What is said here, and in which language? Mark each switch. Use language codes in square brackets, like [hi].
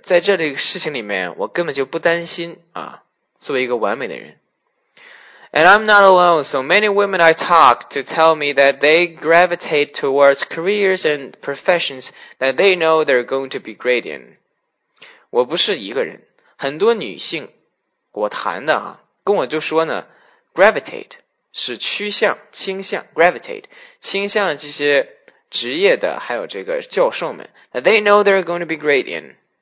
[zh] 在这个事情里面，我根本就不担心啊，作为一个完美的人。 [en] And I'm not alone, so many women I talk to tell me that they gravitate towards careers and professions that they know they're going to be great in. [zh] 我不是一个人，很多女性我谈的啊，跟我就说呢 ,gravitate 是趋向，倾向 ,gravitate, 倾向这些职业的还有这个教授们 [en] that they know they're going to be great in